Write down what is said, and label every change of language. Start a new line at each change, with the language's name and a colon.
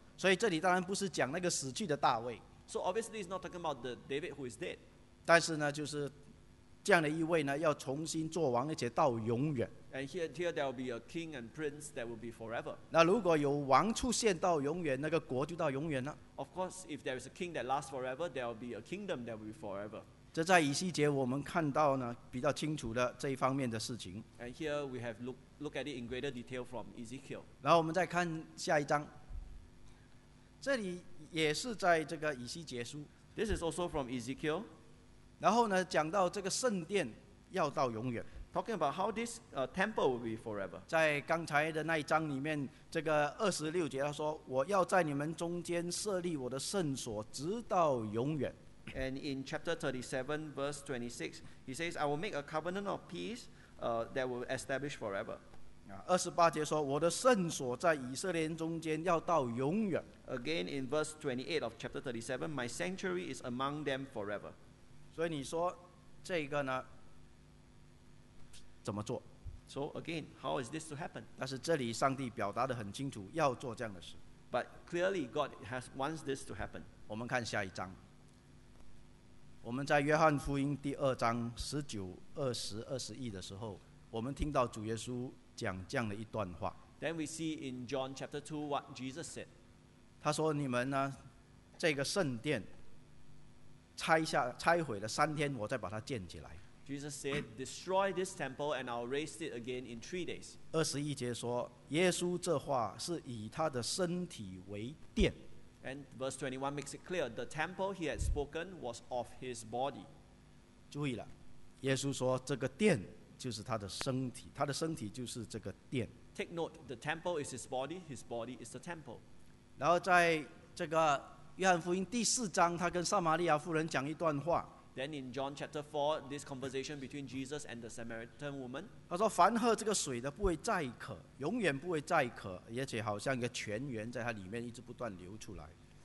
Chinese: 所以这里当然不是讲那个死去的大卫。
English: So obviously, it's not talking about the David who is dead.
Chinese: 但是呢，就是这样的一位呢，要重新做王，而且到永远。
English: And here there will be a king and prince that will be forever.
Chinese: 那如果有王出现到永远，那个国就到永远了。
English: Of course, if there is a king that lasts forever, there will be a kingdom that will be forever.
Chinese: 这在以西结我们看到呢比较清楚的这一方面的事情。
English: And here we have look at it in greater detail from Ezekiel.
Chinese: 然后我们再看下一章，这里也是在这个以西结书。
English: This is also from Ezekiel.
Chinese: 然后呢，讲到这个圣殿要到永远。
English: Talking about how this temple will be forever.
Chinese: 在刚才的那一章里面，这个二十六节他说：“我要在你们中间设立我的圣所，直到永远。”
English: And in chapter 37, verse 26, he says, "I will make a covenant of peace, that will establish forever."
Chinese: 二十八节说：“我的圣所在以色列人中间要到永远。”
English: Again in verse 28 of chapter 37, "My sanctuary is among them forever."
Chinese: 所以你说这个呢？怎么做
English: ？So again, how is this to happen?
Chinese: 但是这里上帝表达得很清楚，要做这样的事。
English: But clearly, God has wants this to happen.
Chinese: 我们看下一章，我们在约翰福音第二章十九、二十、二十一的时候，我们听到主耶稣讲这样的一段话。
English: Then we see in John chapter 2 what Jesus said.
Chinese: 他说：“你们呢，这个圣殿拆毁了三天，我再把它建起来。”
English: Jesus said, "Destroy this temple, and I'll raise it again in 3 days."
Chinese: 二十一节说，耶稣这话是以他的身体为殿。
English: And verse 21 makes it clear the temple he had spoken was of his body.
Chinese: 注意了，耶稣说这个殿就是他的身体，他的身体就是这个殿。
English: Take note, the temple is his body. His body is the temple.
Chinese: 然后在这个约翰福音第四章，他跟撒玛利亚妇人讲一段话。
English: Then in John chapter 4, this conversation between Jesus and the Samaritan woman.
Chinese: 他说：“凡喝这个水的不会再渴，永远不会再渴，而且好像一个泉源在他里面一直不断流出来。”